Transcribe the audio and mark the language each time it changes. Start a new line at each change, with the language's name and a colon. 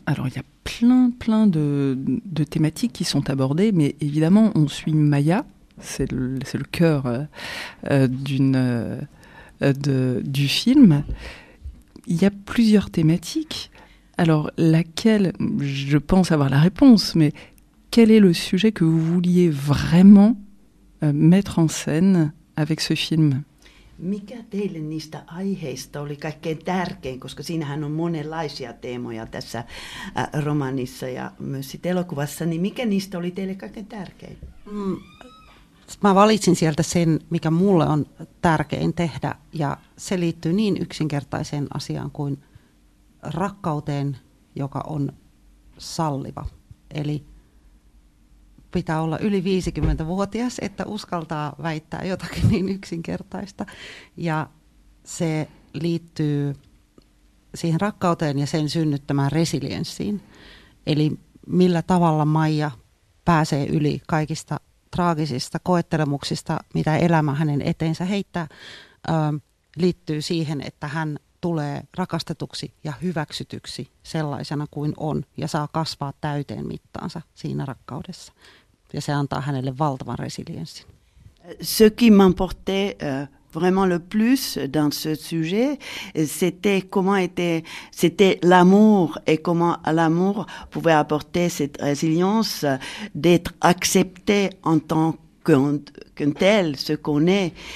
French: Alors, il y a plein de thématiques qui sont abordées, mais évidemment, on suit Maya, c'est le cœur du film. Il y a plusieurs thématiques. Alors, laquelle, je pense avoir la réponse, mais quel est le sujet que vous vouliez vraiment mettre en scène avec ce film?
Finnish: Mikä teille niistä aiheista oli kaikkein tärkein, koska siinähän on monenlaisia teemoja tässä romanissa ja myös sit elokuvassa, niin mikä niistä oli teille kaikkein tärkein? Mä valitsin sieltä sen, mikä mulle on tärkein tehdä, ja se liittyy niin yksinkertaiseen asiaan kuin rakkauteen, joka on salliva. Eli pitää olla yli 50-vuotias, että uskaltaa väittää jotakin niin yksinkertaista. Ja se liittyy siihen rakkauteen ja sen synnyttämään resilienssiin. Eli millä tavalla Maija pääsee yli kaikista traagisista koettelemuksista, mitä elämä hänen eteensä heittää, liittyy siihen, että hän tulee rakastetuksi ja hyväksytyksi sellaisena kuin on ja saa kasvaa täyteen mittaansa siinä rakkaudessa. Ja se antaa hänelle valtavan resilienssin.
French: Ce qui m'emportait vraiment le plus dans ce sujet, c'était comment était, c'était l'amour et comment l'amour pouvait apporter cette résilience d'être accepté en tant qu'un tel, ce qu'on est.